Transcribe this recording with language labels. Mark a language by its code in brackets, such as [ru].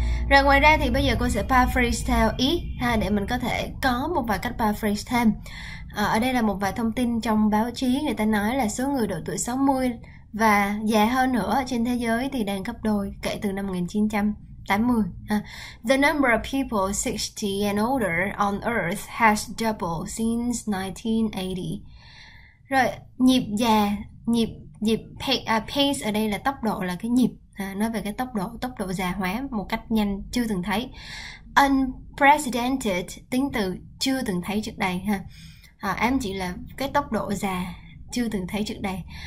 [vi] Rồi ngoài ra thì bây giờ cô sẽ paraphrase theo ý ha, để mình có thể có một vài cách paraphrase thêm. Ở đây là một vài thông tin trong báo chí, người ta nói là số người độ tuổi 60 và già hơn nữa trên thế giới thì đang gấp đôi kể từ năm 1980 ha. [en] The number of people 60 and older on earth has doubled since 1980. [vi] Rồi nhịp già nhịp nhịp pace, pace ở đây là tốc độ, là cái nhịp, nói về cái tốc độ già hóa một cách nhanh chưa từng thấy. Unprecedented, tính từ chưa từng thấy trước đây ha. Em chỉ là cái tốc độ già chưa từng thấy trước đây.